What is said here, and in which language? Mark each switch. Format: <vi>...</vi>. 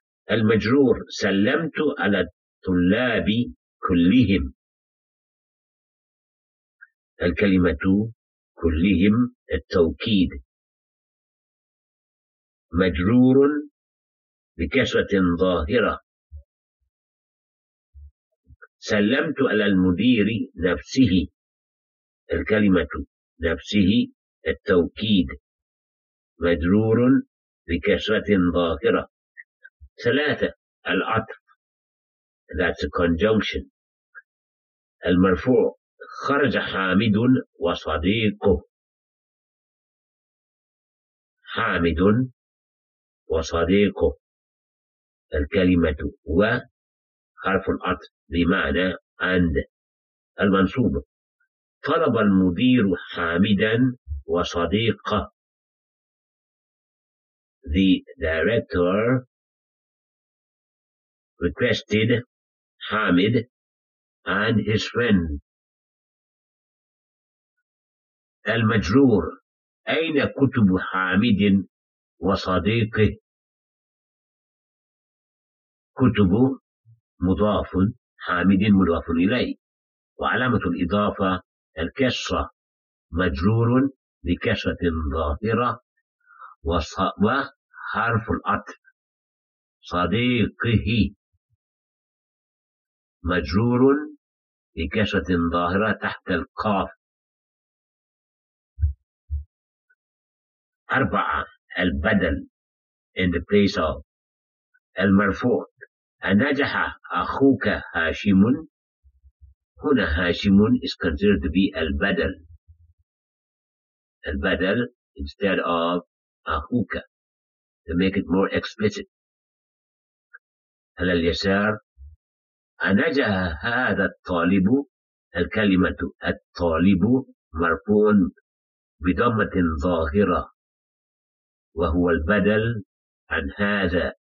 <ar>المجرور، سلمت على الطلاب كلهم، الكلمة كلهم التوكيد، مجرور بكسرة ظاهرة. سلمت على المدير نفسه، الكلمة نفسه التوكيد، مجرور بكسرة ظاهرة. ثلاثة العطف،</ar> <en>that's a conjunction.</en> <ar>المرفوع، خرج حامد وصديقه، حامد وصديقه، الكلمة هو حرف العطف بمعنى عند. المنصوب، طلب المدير حامدا وصديقه،</ar> <en>the director requested Hamid and his friend.</en> <ar>المجرور، أين كتب حامد وصديقه؟ كتب مضاف، حامد مضاف إليه، وعلامة الإضافة الكسرة، مجرور بكسرة ظاهرة وحرف العطف، صديقه مجرور بكسرة ظاهرة تحت القاف. أربعة البدل،</ar> <en>in the place of.</en> <ar>المرفوع، أنجح أخوك هاشم، هنا هاشم</ar> <en>is considered to be البدل، البدل instead of أخوك to make it more explicit.</en> <ar>على اليسار، أنجح هذا الطالب، الكلمة الطالب مرفوع بضمة ظاهرة وهو البدل عن هذا.</ar>